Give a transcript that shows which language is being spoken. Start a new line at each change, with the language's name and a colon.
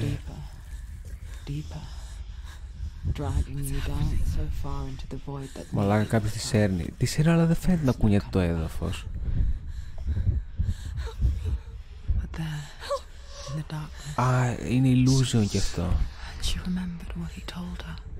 English: Deeper, deeper, dragging you down so far into the void that.
Greek: Μαλάκα κάποιος τη σέρνει. Τη σέρνει, αλλά δεν φαίνεται να κουνιέται το έδαφος.
English: But there.
Greek: Α, είναι illusion κι αυτό.
English: She remembered what he told her.